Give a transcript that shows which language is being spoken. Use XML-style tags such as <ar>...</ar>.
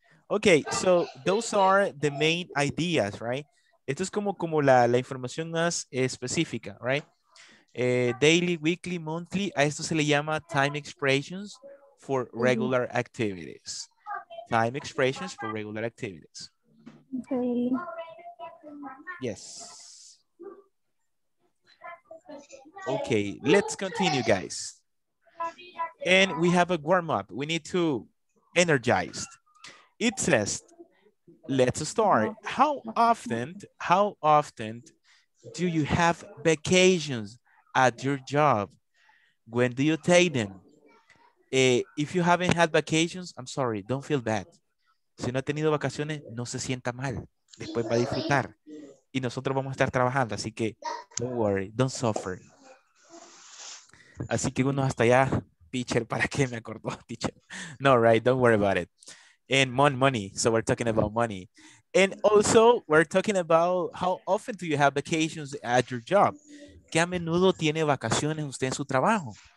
<en>Okay, so those are the main ideas, right?</en> <es>Esto es como la información más específica, right?</es> <en>Daily, weekly, monthly.</en> <es>A esto se le llama time expressions for regular activities.</es> <en>Time expressions for regular activities. Okay. Yes. Okay, let's continue, guys. And we have a warm-up. We need to energize. It says, let's start. How often do you have vacations at your job? When do you take them? If you haven't had vacations, I'm sorry, don't feel bad.</en> <es>Si no ha tenido vacaciones, no se sienta mal. Después va a disfrutar. Y nosotros vamos a estar trabajando, así que</es> <en>don't worry, don't suffer.</en> <es>Así que uno hasta allá, teacher, ¿para qué me acordó, teacher?</es> <en>No, right, don't worry about it. And money, so we're talking about money. And also, we're talking about how often do you have vacations at your job?</en> <es>¿Qué a menudo tiene vacaciones usted en su trabajo?</es>